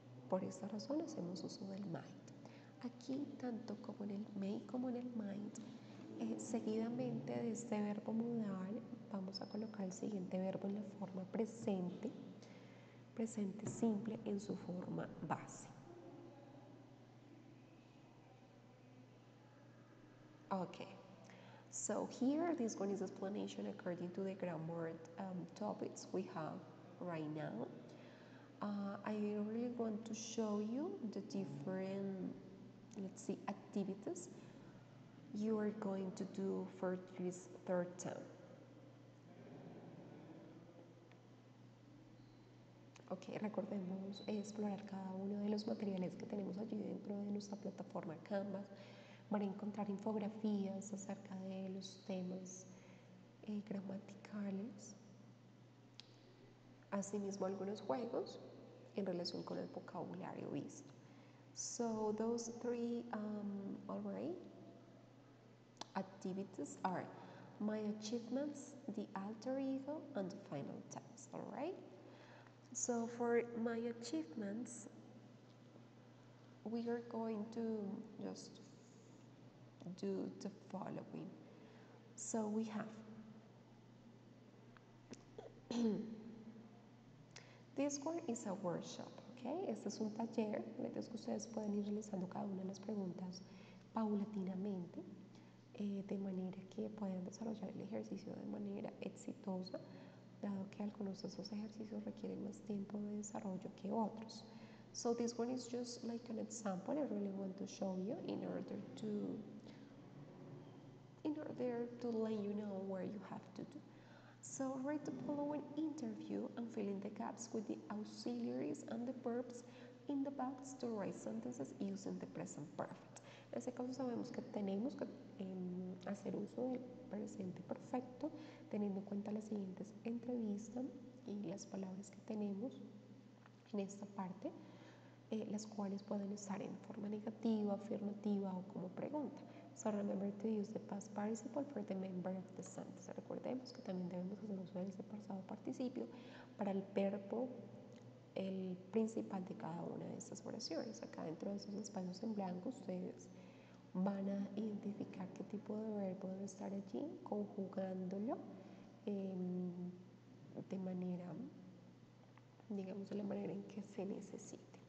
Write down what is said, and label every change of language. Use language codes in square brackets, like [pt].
[es] Por esta razón hacemos uso del might. Aquí, tanto como en el may como en el might, seguidamente de este verbo modal vamos a colocar el siguiente verbo en la forma presente simple en su forma base. [en] Okay, so here this one is explanation according to the grammar topics we have right now. I really want to show you the different, let's see, activities you are going to do for this third term. [es] Ok, recordemos explorar cada uno de los materiales que tenemos allí dentro de nuestra plataforma Canvas. Van a encontrar infografías acerca de los temas gramaticales. Asimismo, algunos juegos en relación con el vocabulario visto. [en] So, those three, all right. Activities are my achievements, the alter ego, and the final test, all right? So for my achievements, we are going to just do the following. So we have this one is a workshop, okay? [es] Este es un taller, entonces que ustedes pueden ir realizando cada una de las preguntas paulatinamente. De manera que puedan desarrollar el ejercicio de manera exitosa, dado que algunos de esos ejercicios requieren más tiempo de desarrollo que otros. [en] So this one is just like an example I really want to show you in order to let you know where you have to do. So write the following interview and fill in the gaps with the auxiliaries and the verbs in the box to write sentences using the present perfect. [es] En ese caso sabemos que tenemos que hacer uso del presente perfecto teniendo en cuenta las siguientes entrevistas y las palabras que tenemos en esta parte, las cuales pueden estar en forma negativa, afirmativa o como pregunta. [en] So remember to use the past participle for the member of the sentence. [es] Recordemos que también debemos hacer uso del pasado participio para el verbo el principal de cada una de estas oraciones. Acá dentro de esos espacios en blanco, ustedes van a identificar qué tipo de verbo debe estar allí, conjugándolo de manera, digamos, de la manera en que se necesite.